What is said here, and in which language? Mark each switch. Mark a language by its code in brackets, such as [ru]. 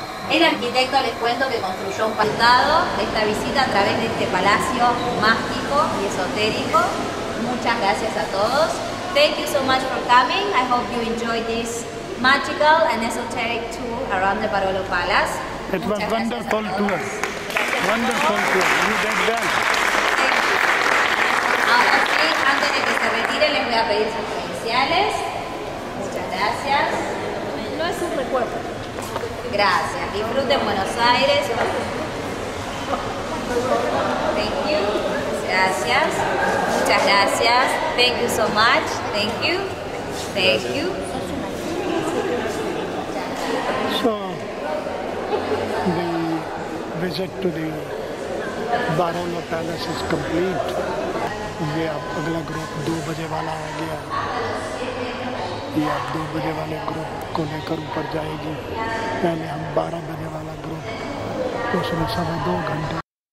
[es] El arquitecto les cuento que construyó un pasado esta visita a través de este palacio mágico y esotérico. Muchas gracias a todos. [en] Thank you so much for coming. I hope you enjoyed this magical and esoteric tour around the Barolo Palace. It was wonderful tour. Wonderful tour. You did well. [es] Ahora sí, antes de que se retire, les voy a pedir sus credenciales. Muchas gracias. No es un recuerdo. Gracias. Disfrute en Buenos Aires. [en] Thank you. [es] Gracias. Muchas gracias. [en] Thank you so much. Thank you. Thank you. So, the visit to the Barolo Palace is complete. [hi] ये अब अगला group 2 बजे वाला आ गया ये अब 2 बजे वाले ग्रुप को लेकर ऊपर जाएगी पहले हम 12 बजे वाला ग्रुप उसमें सवा 2 घंटे